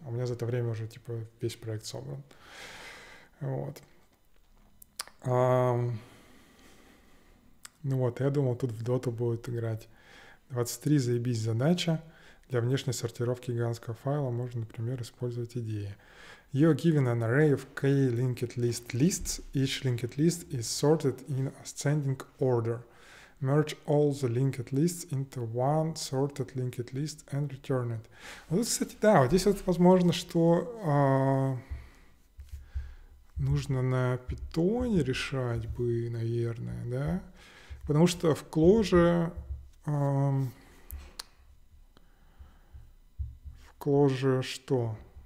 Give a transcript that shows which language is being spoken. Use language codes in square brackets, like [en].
[ru] А у меня за это время уже типа весь проект собран. Вот. Ну вот, я думал, тут в Доту будет играть. 23, заебись, задача. Для внешней сортировки гигантского файла можно, например, использовать идеи. [en] You are given an array of k linked list lists. Each linked list is sorted in ascending order. Merge all the linked lists into one sorted linked list and return it. [ru] Вот, кстати, да, вот здесь вот возможно, что нужно на питоне решать бы, наверное, да? Потому что в Clojure что?